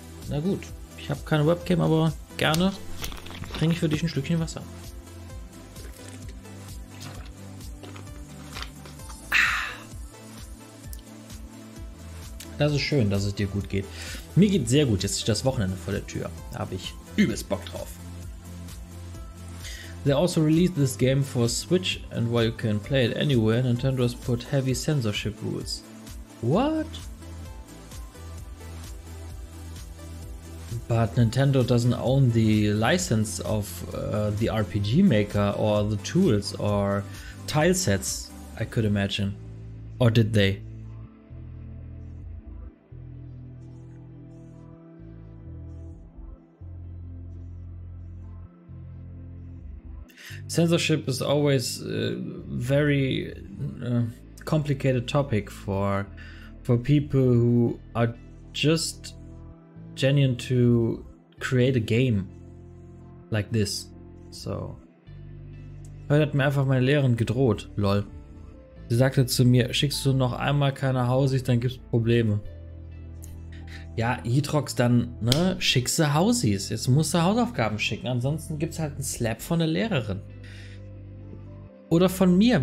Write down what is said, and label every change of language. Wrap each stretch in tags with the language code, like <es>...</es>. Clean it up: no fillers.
<de>Na gut, ich habe keine Webcam, aber gerne trinke ich für dich ein Stückchen Wasser. Das ist schön, dass es dir gut geht. Mir geht sehr gut, jetzt ist das Wochenende vor der Tür. Da habe ich übelst Bock drauf.</de> <en>They also released this game for Switch, and while you can play it anywhere, Nintendo has put heavy censorship rules. What? But Nintendo doesn't own the license of the RPG Maker or the tools or tile sets, I could imagine. Or did they? Censorship is always a very complicated topic for people who are just genuine to create a game like this.</en> <de>So, heute hat mir einfach meine Lehrerin gedroht, lol. Sie sagte zu mir, schickst du noch einmal keine Hausis, dann gibt's Probleme. Ja, Yitrox, dann ne, schickst du Hausis. Jetzt musst du Hausaufgaben schicken, ansonsten gibt's halt einen Slap von der Lehrerin. Oder von mir.</de>